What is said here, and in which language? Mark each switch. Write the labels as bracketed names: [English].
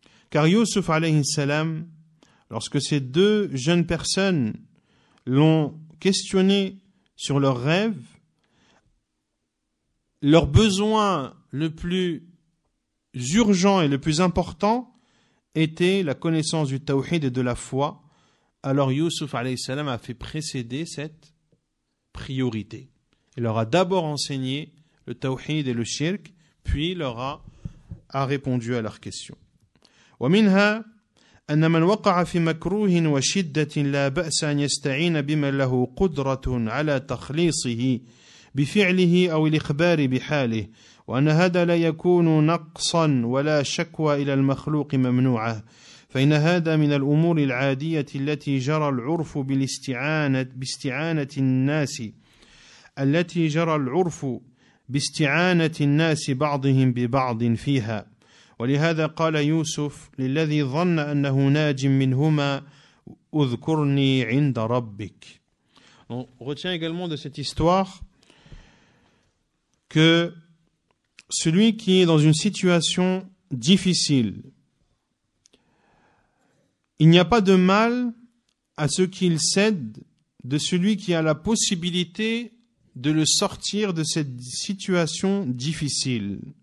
[French] Car Yusuf alayhi salam, lorsque ces deux jeunes personnes l'ont questionné sur leurs rêves, leur besoin le plus urgent et le plus important était la connaissance du tawhid et de la foi, alors Yusuf alayhi salam a fait précéder cette priorité. Il leur a d'abord enseigné le tawhid et le shirk, puis il leur a répondu à leurs questions. [Arabic] ومنها أن من وقع في مكروه وشدة لا بأس أن يستعين بمن له قدرة على تخليصه بفعله أو الإخبار بحاله وأن هذا لا يكون نقصا ولا شكوى إلى المخلوق ممنوعة فإن هذا من الأمور العادية التي جرى العرف باستعانة الناس التي جرى العرف باستعانة الناس بعضهم ببعض فيها ولهذا قال يوسف للذي ظن أنه ناج منهما أذكرني عند ربك. [French] On retient également de cette histoire que celui qui est dans une situation difficile, il n'y a pas de mal à ce qu'il cède de celui qui a la possibilité de le sortir de cette situation difficile.